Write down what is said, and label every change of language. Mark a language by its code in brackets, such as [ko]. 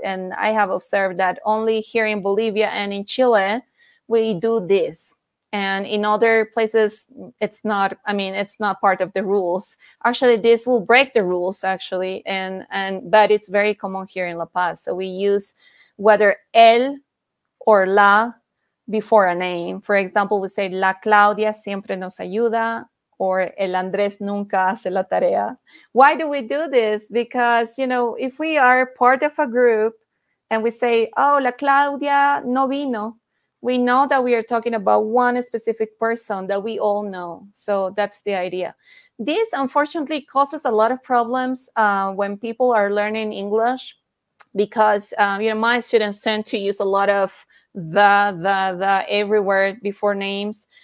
[en] And I have observed that only here in Bolivia and in Chile, we do this. And in other places, it's not, I mean, it's not part of the rules. Actually, this will break the rules, actually. But it's very common here in La Paz. So we use whether el or la before a name. For example, we say [es] La Claudia siempre nos ayuda, [en] or [es] El Andrés nunca hace la tarea. [en] Why do we do this? Because, you know, if we are part of a group and we say, oh, [es] La Claudia no vino, [en] we know that we are talking about one specific person that we all know. So that's the idea. This, unfortunately, causes a lot of problems when people are learning English, because, you know, my students tend to use a lot of the everywhere before names.